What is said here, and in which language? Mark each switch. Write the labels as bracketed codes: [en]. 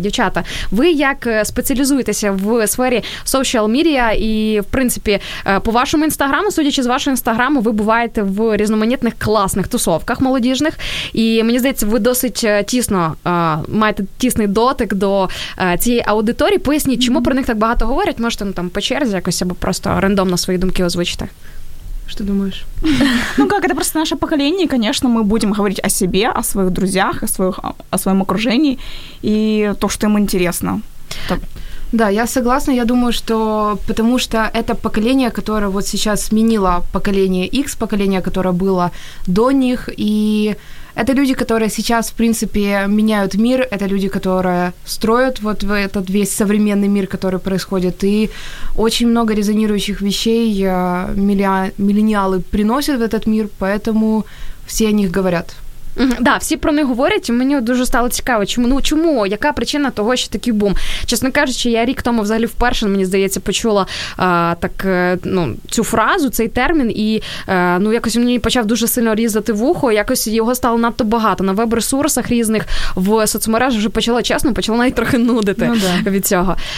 [uk] Дівчата, ви як спеціалізуєтеся в сфері social media і, в принципі, по вашому інстаграму, судячи з вашого інстаграму, ви буваєте в різноманітних класних тусовках молодіжних. І мені здається, ви досить тісно маєте тісний дотик до цієї аудиторії. Поясніть, чому про них так багато говорять? Можете, ну, там, по черзі якось або просто рандомно свои думки озвучите. [ru] Что думаешь? Ну как, это просто наше поколение, конечно, мы будем говорить о себе, о своих друзьях, о своем окружении и то, что им интересно. Да, я согласна, я думаю, что потому что это поколение, которое вот сейчас сменило поколение X, поколение, которое было до них, и Это люди, которые сейчас, в принципе, меняют мир. Это люди, которые строят вот этот весь современный мир, который происходит. И очень много резонирующих вещей миллениалы приносят в этот мир, поэтому все о них говорят. [uk] Да, всі про них говорять, мені дуже стало цікаво, чому, ну чому, яка причина того, що такий бум. Чесно кажучи, я рік тому взагалі вперше, мені здається, почула так, ну, цю фразу, цей термін, і ну, якось мені почав дуже сильно різати вухо, якось його стало надто багато на веб-ресурсах різних, в соцмережах вже почала, чесно, почала навіть трохи нудити, ну, да, від цього.